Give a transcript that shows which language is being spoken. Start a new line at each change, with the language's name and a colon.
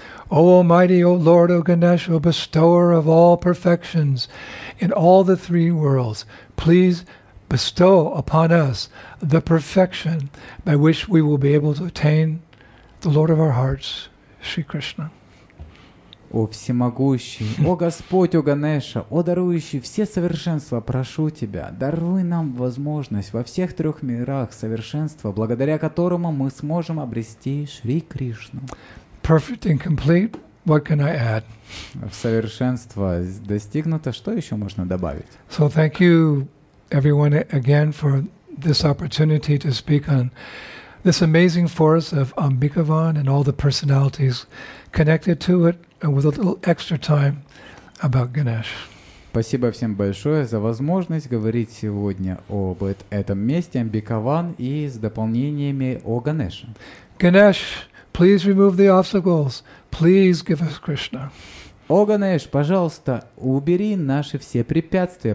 English: O Almighty, O Lord, O Ganesh, O Bestower of all perfections in all the three worlds, please bestow upon us the perfection by which we will be able to attain the Lord of our hearts, Shri Krishna.
Russian: О всемогущий, о Господь, о Ганеша, о дарующий все совершенства, прошу Тебя, даруй нам возможность во всех трех мирах совершенства, благодаря которому мы сможем обрести Шри Кришну.
English: Perfect and complete, what can I add?
Russian: В совершенство достигнуто, что еще можно добавить?
English: So thank you everyone again for this opportunity to speak on this amazing force of Ambikavan and all the personalities connected to it. And with a little extra time about Ganesh.
Russian: Спасибо всем большое за возможность говорить сегодня об этом месте Амбикаван и с дополнениями о Ганеше.
English: Ganesh, please remove the obstacles. Please give us Krishna.
Russian: О Ганеш, пожалуйста, убери наши все препятствия.